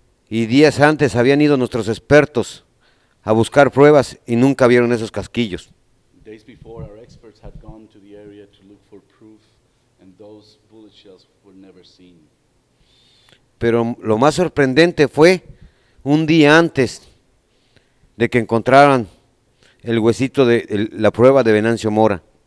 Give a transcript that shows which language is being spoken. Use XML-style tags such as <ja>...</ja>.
<es>Y días antes habían ido nuestros expertos a buscar pruebas y nunca vieron esos casquillos.</es> <en>Days before, our experts had gone to the area to look for proof, and those bullet shells were never seen.</en> <es>Pero lo más sorprendente fue un día antes de que encontraran el huesito de la prueba de Venancio Mora.</es>